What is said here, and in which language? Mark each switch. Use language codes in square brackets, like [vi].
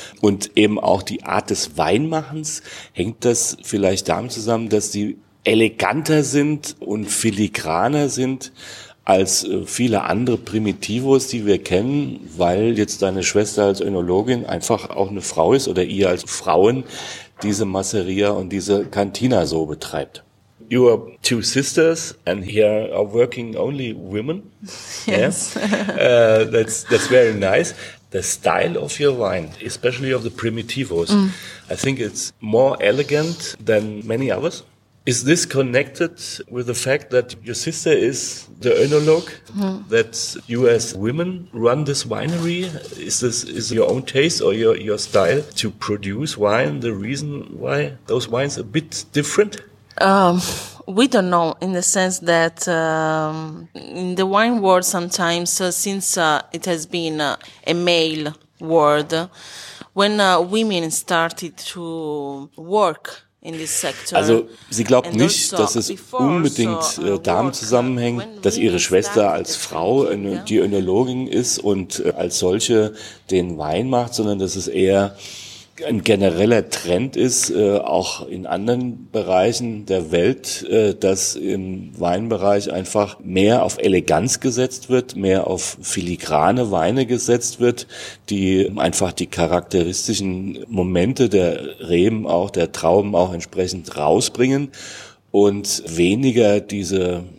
[de] Und eben auch die Art des Weinmachens, hängt das vielleicht damit zusammen, dass sie eleganter sind und filigraner sind als viele andere Primitivos, die wir kennen, weil jetzt deine Schwester als Önologin einfach auch eine Frau ist oder ihr als Frauen diese Masseria und diese Cantina so betreibt. [en] You are two sisters and here are working only women. Yes. That's very nice. The style of your wine, especially of the Primitivos, I think it's more elegant than many others. Is this connected with the fact that your sister is the oenolog, that you as women run this winery? Is your own taste or your style to produce wine the reason why those wines are a bit different? We don't know, in the sense that in the wine world sometimes, since it has been a male world, when women started to work in this sector. [de] Also sie glaubt nicht, dass es unbedingt damit zusammenhängt, dass ihre Schwester als Frau die Önologin ist und als solche den Wein macht, sondern dass es eher ein genereller Trend ist, auch in anderen Bereichen der Welt, dass im Weinbereich einfach mehr auf Eleganz gesetzt wird, mehr auf filigrane Weine gesetzt wird, die einfach die charakteristischen Momente der Reben auch, der Trauben auch entsprechend rausbringen und weniger diese